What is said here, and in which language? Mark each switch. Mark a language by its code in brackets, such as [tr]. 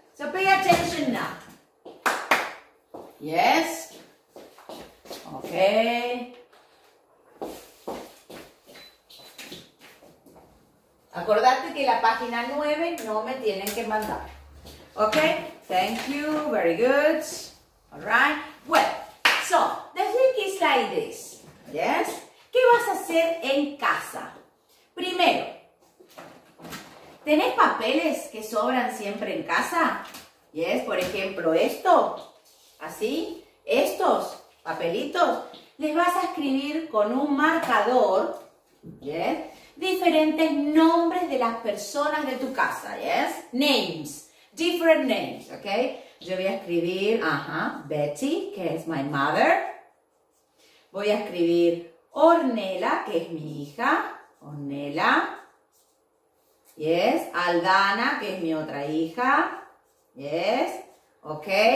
[en] So pay attention now. Yes. Ok. [es] Acordate que la página 9 no me tienen que mandar. [en] Ok. Thank you. Very good. All right. Well. So, the thing is like this, yes? [es] ¿Qué vas a hacer en casa? Primero, ¿tenés papeles que sobran siempre en casa? Yes, por ejemplo, esto, así, estos papelitos, les vas a escribir con un marcador, yes, diferentes nombres de las personas de tu casa, yes? [en] Names, different names, okay? [es] Yo voy a escribir, Betty, que es my mother. Voy a escribir Ornella, que es mi hija. Ornella. Yes. Aldana, que es mi otra hija. Yes. Ok.